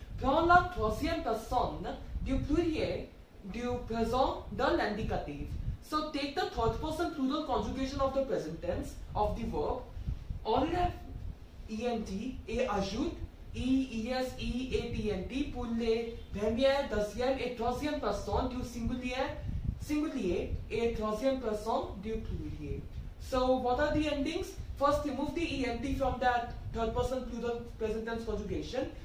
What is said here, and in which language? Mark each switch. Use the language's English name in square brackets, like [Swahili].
[French] Prends la troisième personne du pluriel du présent de l'indicatif. [English] So take the third person plural conjugation of the present tense of the verb. [French] Enlève ENT et ajoute EESEATNT pour les premières, deuxièmes et troisièmes personnes du singulier et troisième personne du pluriel. [English] So what are the endings? First, remove the ENT from that third person plural present tense conjugation.